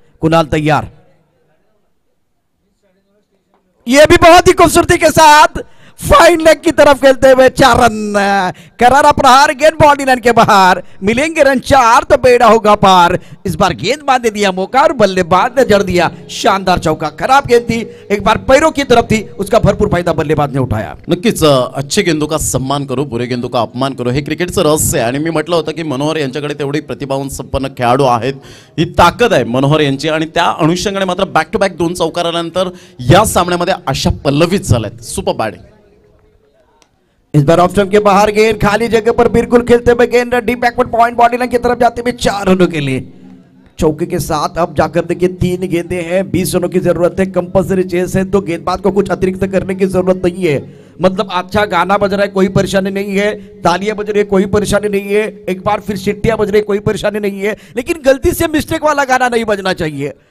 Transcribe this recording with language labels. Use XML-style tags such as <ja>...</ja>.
<hi>कुणाल तैयार, ये भी बहुत ही खूबसूरती के साथ फाइन लेग की तरफ खेलते हुए 4 रन. करारा प्रहार, गेंद बाउंड्री लाइन के बाहर, मिलेंगे रन 4 तो बेड़ा होगा पार. इस बार गेंद बांध दिया मौका और बल्लेबाज ने जड़ दिया, शानदार चौका. खराब गेंद थी, एक बार पैरों की तरफ थी, उसका भरपूर फायदा बल्लेबाज ने उठाया.</hi> <mr>नक्कीच</mr> <hi>अच्छे गेंदों का सम्मान करो, बुरे गेंदों का अपमान करो,</hi> <mr>हे क्रिकेटचं रहस्य आहे. आणि मी म्हटलं होतं की मनोहर यांच्याकडे तेवढी प्रतिभावान संपन्न खेळाडू आहेत, ही ताकद आहे मनोहर यांची, आणि त्या अनुषंगाने मात्र बॅक टू बॅक 2 चौकार आल्यानंतर या सामन्यामध्ये अशा पल्लवीत झाल्यात.</mr> <en>Super batting.</en> <hi>इस बार ऑफ स्टंप के बाहर गेंद, खाली जगह पर बिल्कुल खेलते हुए गेंद deep backward point body line की तरफ जाते हुए 4 रनों के लिए चौके के साथ. अब जाकर देखिए 3 गेंदे हैं, 20 रनों की जरूरत है, कंपल्सरी चेस है, तो गेंदबाज को कुछ अतिरिक्त करने की जरूरत नहीं है. मतलब अच्छा गाना बज रहा है कोई परेशानी नहीं है, तालियां बज रही है कोई परेशानी नहीं है, एक बार फिर सिट्टियां बज रही है कोई परेशानी नहीं है, लेकिन गलती से मिस्टेक वाला गाना नहीं बजना चाहिए.</hi>